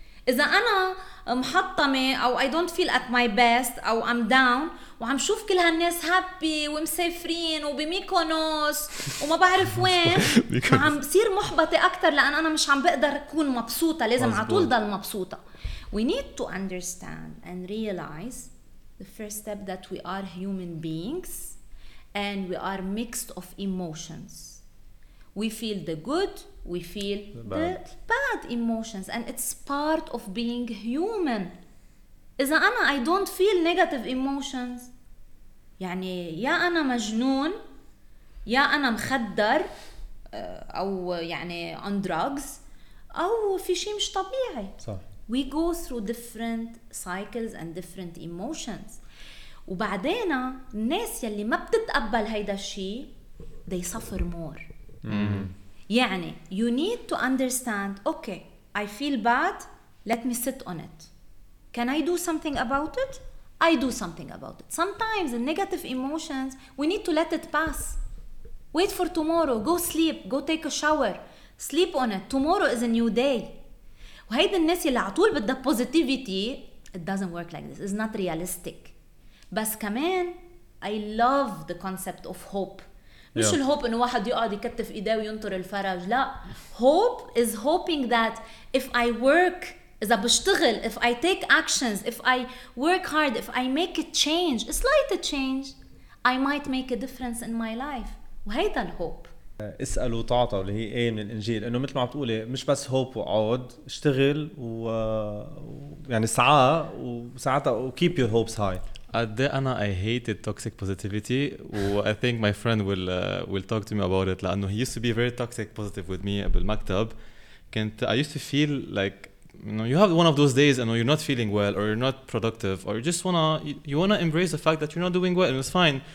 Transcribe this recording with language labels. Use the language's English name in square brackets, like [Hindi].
[Arabic] إذا أنا محطمة أو [English] I don't feel at my best [Arabic] أو [English] I'm down [Arabic] وعم شوف كل هالناس happy ومسافرين وبميكونوس وما بعرف وين عم بصير محبطة أكتر لأن أنا مش عم بقدر أكون مبسوطة لازم عطول ضل مبسوطة [English] we need to understand and realize the first step that we are human beings and we are mixed of emotions We feel the good, we feel the bad emotions, and it's part of being human. [Arabic] إذا أنا [English] I don't feel negative emotions, [Arabic] يعني يا أنا مجنون, يا أنا مخدر, أو يعني [English] on drugs, [Arabic] أو في شيء مش طبيعي. صح. [English] We go through different cycles and different emotions. [Arabic] وبعدين الناس يلي ما بتتقبل هيدا الشيء, [English] they suffer more. يعني you need to understand okay I feel bad let me sit on it can I do something about it I do something about it sometimes the negative emotions we need to let it pass wait for tomorrow go sleep go take a shower sleep on it tomorrow is a new day [Arabic] وهيدا الناس يلي عطول بدها [English] positivity it doesn't work like this it's not realistic [Arabic] بس كمان [English] I love the concept of hope [Arabic] مش الهوب إنه واحد يقعد يكتف إيديه وينطر الفرج لا [English] hope is hoping that if I work [Arabic] إذا بشتغل [English] if I take actions if I work hard if I make a change a slight change I might make a difference in my life [Arabic] وهيدا الهوب اسألوا تعطى اللي هي إيه من الإنجيل إنه مثل ما بتقولي مش بس hope وقعد اشتغل و يعني سعى وساعتها [English] keep your hopes high I hated toxic positivity. I think my friend will talk to me about it. Like, he used to be very toxic positive with me at the maktab. I used to feel like, you know, you have one of those days and you're not feeling well or you're not productive or you just wanna you wanna embrace the fact that you're not doing well and it's fine.